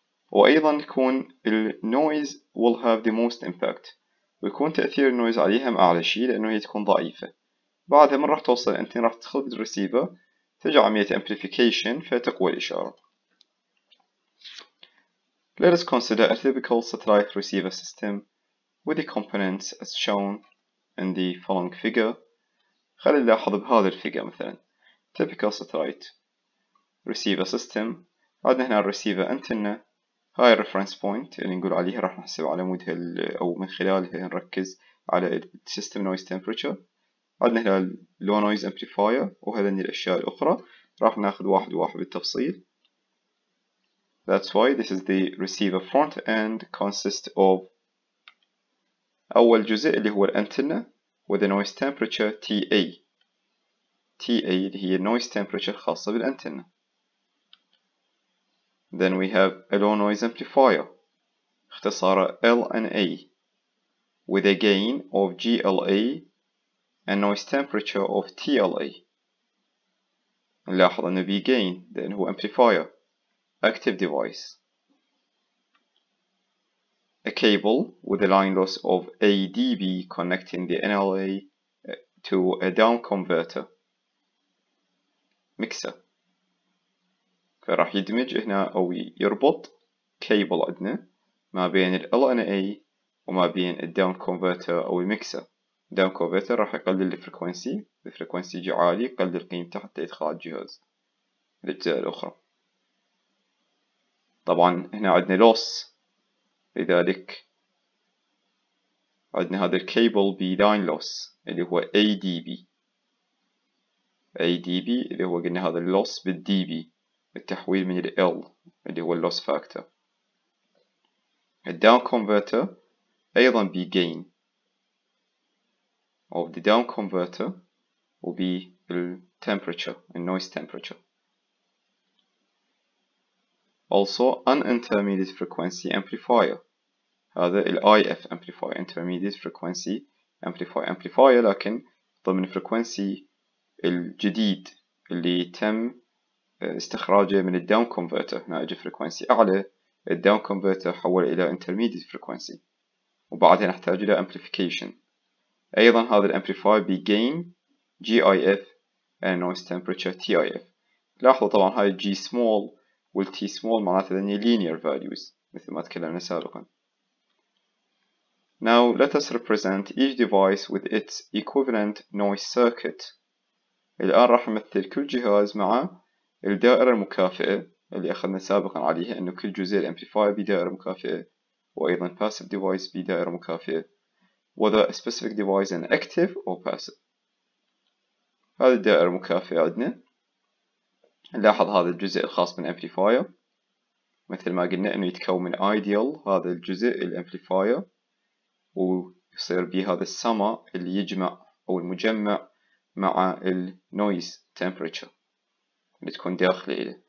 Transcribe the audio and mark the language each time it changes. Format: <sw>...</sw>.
<ar>وأيضا يكون النويز</ar> <en>will have the most impact،</en> <ar>ويكون تأثير النويز عليها أعلى شيء لأنه هي تكون ضعيفة. بعدها من راح توصل أنتنا راح تدخل بالرسيفة تجي عملية amplification فتقوى الإشارة.</ar> <en>Let us consider a typical satellite receiver system with the components as shown in the following figure.</en> <ar>خلينا نلاحظ بهذا الفيجر مثلا typical satellite receiver system. عندنا هنا الريسيفر انتنا، هاي الريفرنس بوينت اللي نقول عليها راح نحسب على مودها او من خلالها نركز على system noise temperature. عندنا هنا low noise amplifier وهذه الاشياء الاخرى راح ناخذ واحد واحد بالتفصيل.</ar> <en>That's why this is the receiver front end consists of</en> <ar>اول جزء اللي هو الانتنا</ar> <en>with a noise temperature TA.</en> <ar>TA اللي هي noise temperature خاصة بالأنتنة.</ar> <en>Then we have a low noise amplifier اختصارة LNA with a gain of GLA and noise temperature of TLA.</en> <ar>نلاحظ أنه بي gain لأنه هو amplifier active device.</ar> <en>A cable with a line loss of ADB connecting the NLA to a down converter mixer.</en> <ar>فراح يدمج هنا أو يربط cable عندنا ما بين ال LNA وما بين ال down converter أو mixer. Down converter راح يقلل ال frequency، ال frequency جي عالي يقلل قيمته حتى يدخل على الجهاز الأجزاء الأخرى. طبعا هنا عندنا loss، لذلك عندنا هذا الكيبل بـ line loss اللي هو ADB. ADB اللي هو قلنا هذا loss بالـ DB بالتحويل من الـ L اللي هو loss factor.</ar> <en>الـ down converter أيضا بـ gain of the down converter وبـ temperature الـ noise temperature. Also an intermediate frequency amplifier. هذا الـ IF amplifier intermediate frequency amplifier.</en> <ar>Amplifier لكن ضمن frequency الجديد اللي تم استخراجه من الـ down converter، هنا اجى frequency أعلى الداون كونفرتر حول إلى intermediate frequency وبعدها نحتاج إلى amplification. أيضا هذا الامبليفاير بيجين</ar> <en>GIF and noise temperature TIF.</en> <ar>لاحظوا طبعا هاي G small وال T small معناته ذني linear values مثل ما تكلمنا سابقا.</ar> <en>Now let us represent each device with its equivalent noise circuit.</en> <ar>الآن راح نمثل كل جهاز مع الدائرة المكافئة اللي أخذنا سابقا عليها إنه كل جزء الامبليفاير بدائرة مكافئة وأيضا passive device بدائرة مكافئة</ar> <en>whether a specific device is active or passive.</en> <ar>هذه الدائرة المكافئة عندنا نلاحظ هذا الجزء الخاص بالامبليفاير مثل ما قلنا إنه يتكون من ideal هذا الجزء الامبليفاير ويصير به هذا السما اللي يجمع أو المجمع مع ال noise temperature اللي تكون داخل إليه.</ar>